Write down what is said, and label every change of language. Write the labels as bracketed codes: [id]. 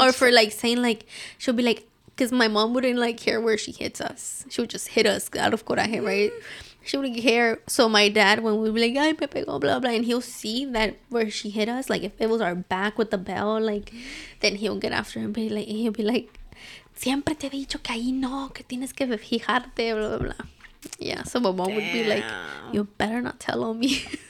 [en] Or for, like, saying, like, she'll be like, because my mom wouldn't, like, care where she hits us. She would just hit us out of coraje, right? She wouldn't care. So my dad, when we'd be like, [es] ay, me pegó, [en] blah, blah, and he'll see that where she hit us, like, if it was our back with the bell, like, then he'll get after him. He'll be like, [es] siempre te he dicho que ahí no, que tienes que fijarte, blah, blah, blah. [en] Yeah, so my mom would be like, you better not tell on me.